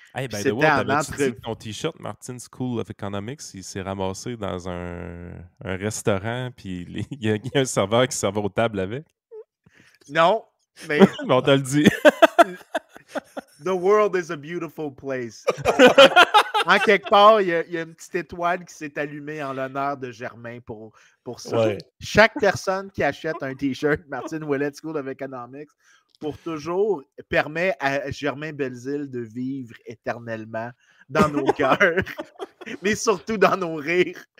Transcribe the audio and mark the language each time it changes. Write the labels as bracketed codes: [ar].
[fr] Hey, ben c'était en entrevue. Ton T-shirt, Martin School of Economics, il s'est ramassé dans un restaurant, puis il y a un serveur qui servait aux tables avec? Non! Mais on t'a le dit. [en] The world is a beautiful place. [fr] En quelque part, il y a une petite étoile qui s'est allumée en l'honneur de Germain pour ça. Ouais. Chaque personne qui achète un T-shirt Martin Ouellet School of Economics pour toujours permet à Germain Belzile de vivre éternellement dans nos cœurs, mais surtout dans nos rires.